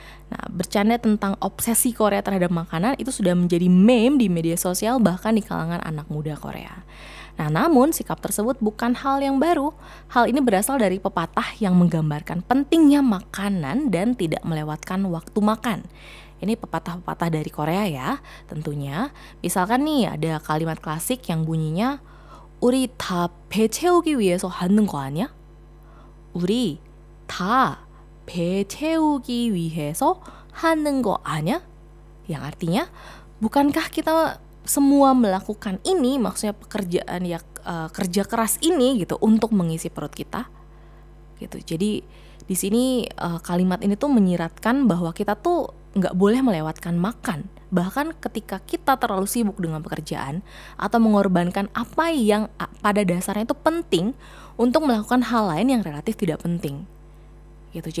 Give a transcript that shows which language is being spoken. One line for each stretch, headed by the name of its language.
Indonesian: Nah, bercanda tentang obsesi Korea terhadap makanan itu sudah menjadi meme di media sosial bahkan di kalangan anak muda Korea. Nah, namun sikap tersebut bukan hal yang baru. Hal ini berasal dari pepatah yang menggambarkan pentingnya makanan dan tidak melewatkan waktu makan. Ini pepatah-pepatah dari Korea ya, tentunya. Misalkan nih ada kalimat klasik yang bunyinya
Korean: 우리 다 배 채우기 위해서 하는 거 아니야? 우리 다 배 채우기 위해서 하는 거 아니야?
Indonesian: Yang artinya, bukankah kita semua melakukan ini, maksudnya pekerjaan ya kerja keras ini gitu untuk mengisi perut kita gitu. Jadi di sini kalimat ini tuh menyiratkan bahwa kita tuh nggak boleh melewatkan makan, bahkan ketika kita terlalu sibuk dengan pekerjaan atau mengorbankan apa yang pada dasarnya itu penting untuk melakukan hal lain yang relatif tidak penting gitu.